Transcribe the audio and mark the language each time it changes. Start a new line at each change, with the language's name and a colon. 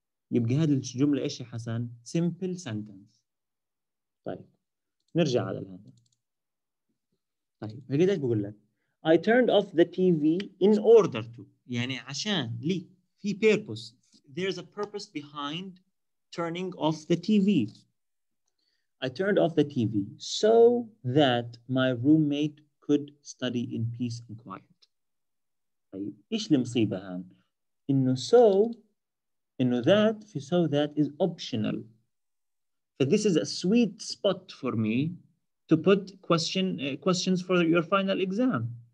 Arabic: يبقى هذه الجملة إيش يا حسن
English: simple sentence
Arabic: طيب نرجع على الهذا طيب هل قديش بقول لك
English: I turned off the TV in order to
Arabic: يعني عشان لي في
English: purpose there's a purpose behind turning off the TV I turned off the TV so that my roommate could study in peace and quiet.
Arabic: إيش المصيبة هان؟ إنه so, إنه that, في
English: so that is optional. But this is a sweet spot for me to put questions for your final exam.